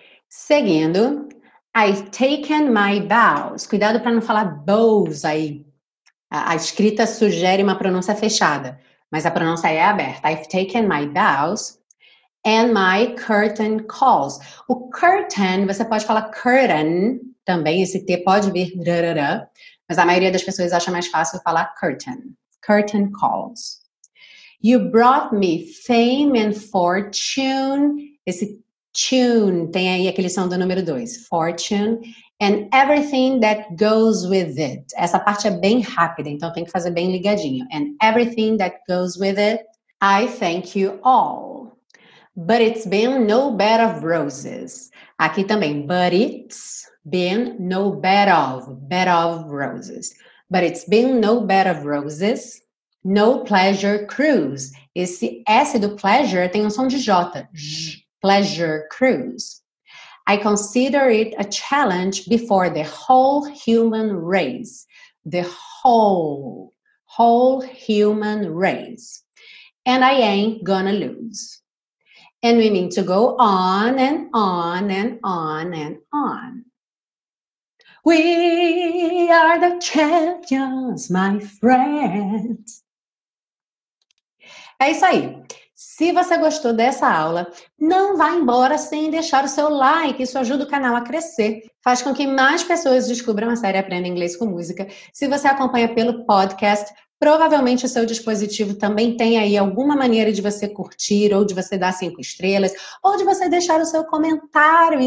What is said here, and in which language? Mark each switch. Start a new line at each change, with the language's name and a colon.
Portuguese: Seguindo,
English: I've taken my bows.
Portuguese: Cuidado para não falar bows aí. A escrita sugere uma pronúncia fechada, mas a pronúncia é aberta.
English: I've taken my bows and my curtain calls.
Portuguese: O curtain, você pode falar curtain também, esse T pode vir drarará, mas a maioria das pessoas acha mais fácil falar curtain.
English: Curtain calls. You brought me fame and fortune.
Portuguese: Esse tune tem aí aquele som do número 2.
English: Fortune. And everything that goes with it.
Portuguese: Essa parte é bem rápida, então tem que fazer bem ligadinho.
English: And everything that goes with it. I thank you all. But it's been no bed of roses.
Portuguese: Aqui também.
English: But it's been no bed of roses. But it's been no bed of roses. No pleasure cruise. Esse S do pleasure tem um som de J. Pleasure cruise. I consider it a challenge before the whole human race. The whole human race. And I ain't gonna lose. And we mean to go on and on and on and on. We are the champions, my friend.
Portuguese: É isso aí. Se você gostou dessa aula, não vá embora sem deixar o seu like. Isso ajuda o canal a crescer. Faz com que mais pessoas descubram a série Aprenda Inglês com Música. Se você acompanha pelo podcast, provavelmente o seu dispositivo também tem aí alguma maneira de você curtir, ou de você dar 5 estrelas, ou de você deixar o seu comentário.